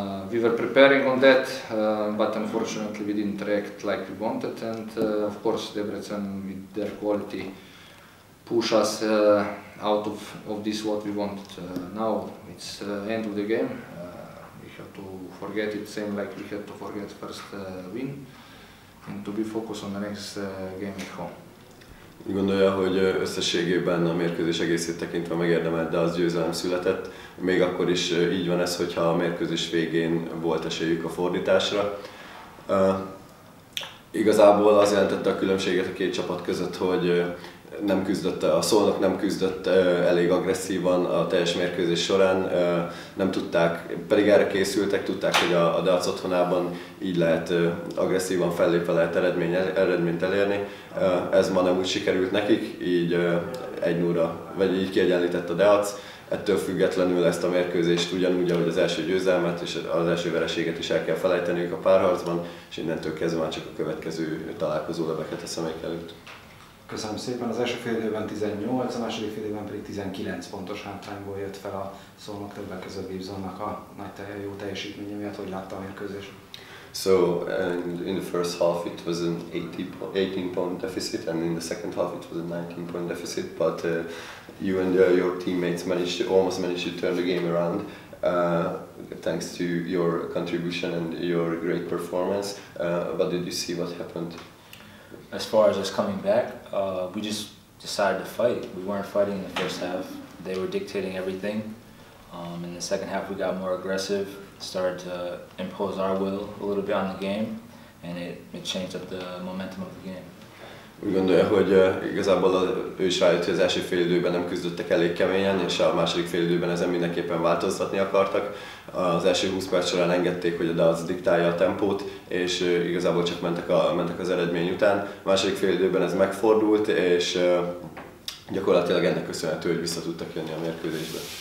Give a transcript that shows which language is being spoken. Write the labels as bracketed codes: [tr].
[en] We were preparing on that, but unfortunately we didn't react like we wanted, and of course Debrecen with their quality push us out of this what we wanted. Now it's end of the game, we have to forget it, same like we had to forget first win, and to be focused on the next game at home. [hu] Gondolja, hogy összességében a mérkőzés egészét tekintve megérdemelt, de az győzelem született. Még akkor is így van ez, hogyha a mérkőzés végén volt esélyük a fordításra. Igazából az jelentette a különbséget a két csapat között, hogy nem küzdött, a Szolnok nem küzdött elég agresszívan a teljes mérkőzés során. Nem tudták, pedig erre készültek, tudták, hogy a Deac otthonában így lehet agresszívan fellépve lehet eredményt elérni. Ez ma nem úgy sikerült nekik, így 1-0-ra, vagy így kiegyenlített a Deac. Ettől függetlenül ezt a mérkőzést ugyanúgy, ahogy az első győzelmet és az első vereséget is el kell felejteniük a párharcban, és innentől kezdve már csak a következő találkozó leveket a szemek előtt. Köszönöm szépen, az első félidőben 18, a második félidőben pedig 19 pontos hátrányból jött fel a Szolnok, többek között Gibsonnak a nagy jó teljesítménye miatt, hogy látta a mérkőzést. [en] So in the first half it was an 18 point deficit, and in the second half it was a 19 point deficit, but you and your teammates almost managed to turn the game around. Thanks to your contribution and your great performance. What did you see, what happened? As far as us coming back, we just decided to fight. We weren't fighting in the first half. They were dictating everything. In the second half, we got more aggressive, started to impose our will a little bit on the game, and it changed up the momentum of the game. [hu] Úgy gondolja, hogy igazából ő is rájött, hogy az első fél időben nem küzdöttek elég keményen, és a második fél időben ezen mindenképpen változtatni akartak. Az első 20 perc során engedték, hogy a Deac diktálja a tempót, és igazából csak mentek az eredmény után. A második fél időben ez megfordult, és gyakorlatilag ennek köszönhető, hogy vissza tudtak jönni a mérkőzésbe.